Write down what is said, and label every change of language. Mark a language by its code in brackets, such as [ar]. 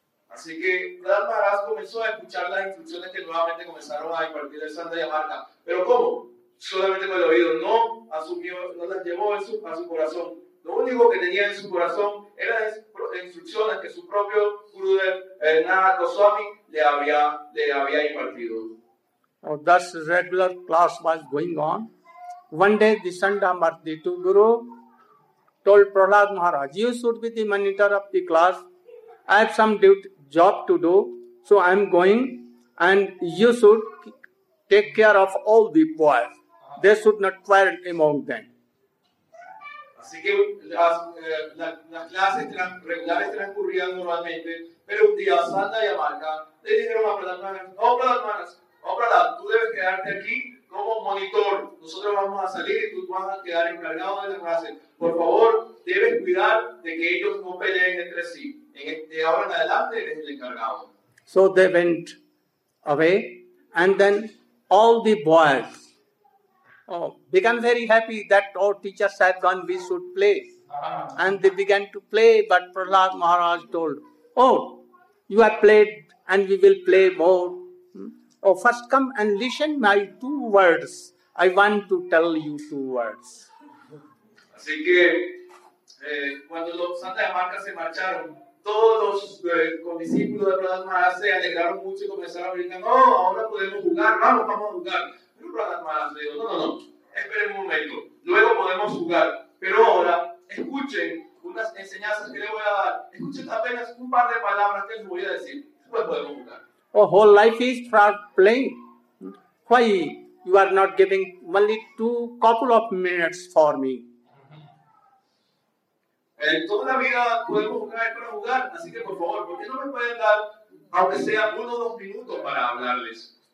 [es] Así que Prahlad Maharaj comenzó a escuchar las instrucciones que nuevamente comenzaron a impartir el Sandaya Marga. Pero ¿cómo? Solamente con el oído. No asumió, no las llevó a su corazón. Lo único que tenía en su corazón eran las instrucciones que su propio Gurudev Narad Goswami le había impartido. [en] Now, thus regular class was going on. One day, the Sandamarthi, the Guru, told Prahlad Maharaj, you should be the monitor of the class. I have some job to do, so I am going, and you should take care of all the boys. They should not quarrel among them. [es] Así que las clases regulares transcurrían normalmente, pero un día Sanda y Amarca le dijeron a Prahlad Maharaj, oh, Prahlad Maharaj, oh, Prahlad, tú debes quedarte aquí como monitor. Nosotros vamos a salir y tú vas a quedar encargado de la clase. Por favor, debes cuidar de que ellos no peleen entre sí. De ahora en adelante eres el encargado. [en] So they went away, and then all the boys began very happy that our teachers had gone, we should play. And they began to play, but Prahlad Maharaj told, oh, you have played and we will play more. Oh, first come and listen my two words. I want to tell you two words. [es] Así que, cuando los Santa de Marca se marcharon, todos los condiscípulos de Prahlad Maharaj se alegraron mucho y comenzaron a brincar. No, ahora podemos jugar, vamos a jugar. Pero Prahlad Maharaj le dijo, no, esperen un momento, luego podemos jugar. Pero ahora, escuchen unas enseñanzas que les voy a dar. Escuchen apenas un par de palabras que les voy a decir. Después podemos jugar. [en] Oh, whole life is for playing. Why you are not giving only two couple of minutes for me? [es] Toda la vida podemos jugar para jugar, así que por favor, ¿por qué no me pueden dar aunque sea uno o dos minutos para hablarles?